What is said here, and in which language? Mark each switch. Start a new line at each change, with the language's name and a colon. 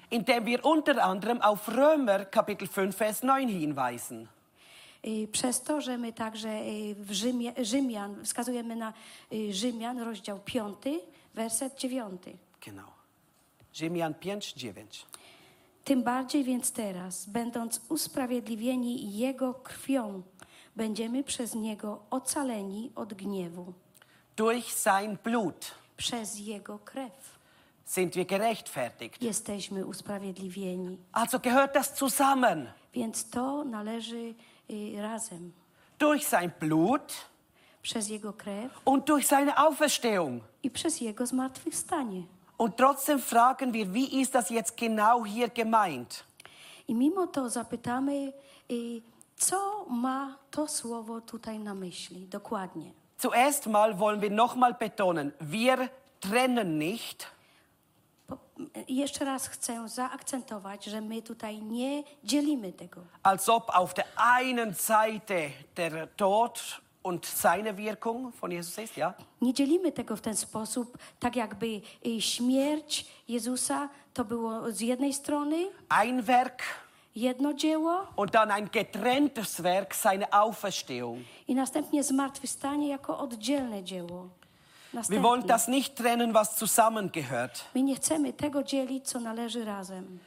German: Indem wir unter anderem auf Römer Kapitel 5 Vers 9 hinweisen.
Polish: Przez to, że my także w Rzymian wskazujemy na Rzymian rozdział 5, werset 9. Genau. Rzymian 5, 9. Tym bardziej więc teraz, będąc usprawiedliwieni jego krwią, będziemy przez niego ocaleni od gniewu.
German: Durch sein Blut.
Polish: Przez jego krew.
German: Sind wir gerechtfertigt.
Polish: Jesteśmy usprawiedliwieni.
German: Also gehört das zusammen.
Polish: Więc to należy razem.
German: Durch sein Blut.
Polish: Przez jego krew.
German: Und durch seine Auferstehung.
Polish: I przez jego zmartwychwstanie.
German: Und trotzdem fragen wir, wie ist das jetzt genau hier gemeint?
Polish: I mimo to zapytamy, co ma to słowo tutaj na myśli dokładnie.
German: Zuerst mal wollen wir noch mal betonen, wir trennen nicht.
Polish: Jeszcze raz chcę zaakcentować, że my tutaj nie dzielimy tego.
German: Als ob auf der einen Seite der Tod und seine Wirkung von Jesus ist, ja?
Polish: Nie dzielimy tego w ten sposób, tak jakby śmierć Jezusa to było z jednej strony.
German: Ein Werk.
Polish: Jedno dzieło.
German: Und dann ein getrenntes Werk, seine Auferstehung.
Polish: I następnie zmartwychwstanie jako oddzielne dzieło. Następnie.
German: Wir wollen das nicht trennen, was zusammengehört.
Polish: My nie chcemy tego dzielić, co należy razem.